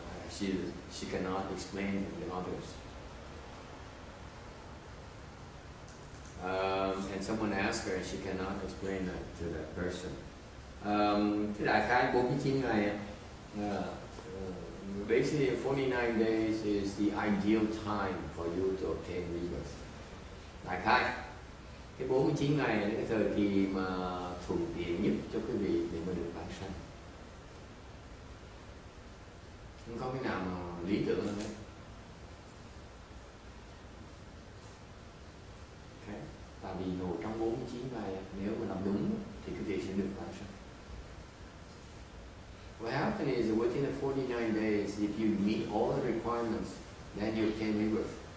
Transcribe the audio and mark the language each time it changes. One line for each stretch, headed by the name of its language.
English: She cannot explain it to others. And someone asked her, and she cannot explain that to that person.
Vietnamese: Thì đại khái 49 ngày.
English: Basically, 49 days is the ideal time for you to obtain rebirth.
Vietnamese: Đại khái. Cái 49 ngày là cái thời kỳ mà thuận tiện nhất cho quý vị để mà được vãng sanh. Không có cái nào mà lý tưởng hơn đấy. Okay. Tại vì nổ trong 49 ngày, nếu mà làm đúng thì quý vị sẽ được vãng sanh.
English: What happens is within the 49 days, if you meet all the requirements, then you can be with.